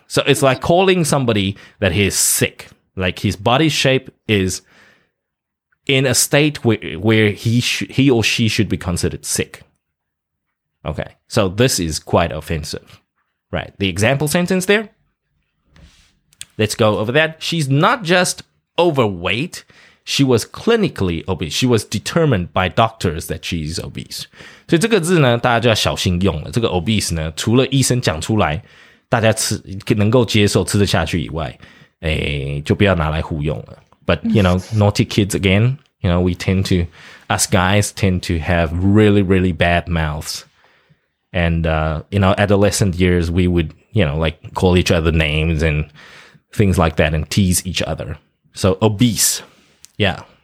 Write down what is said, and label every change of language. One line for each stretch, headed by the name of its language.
English: So it's like calling somebody that he is sick. Like his body shape is in a state where he or she should be considered sick. Okay. So this is quite offensive. Right. The example sentence there. Let's go over that. She's not just overweight. She was clinically obese. She was determined by doctors that she's obese.
Chinese: 所以这个字呢，大家就要小心用了。这个 obese 呢，除了医生讲出来，大家吃能够接受、吃得下去以外，哎，就不要拿来互用了。
English: But you know, naughty kids again. You know, we tend to, us guys tend to have really, really bad mouths. And in our adolescent years, we would, you know, like call each other names and. Things like that and tease each other. So obese. Yeah.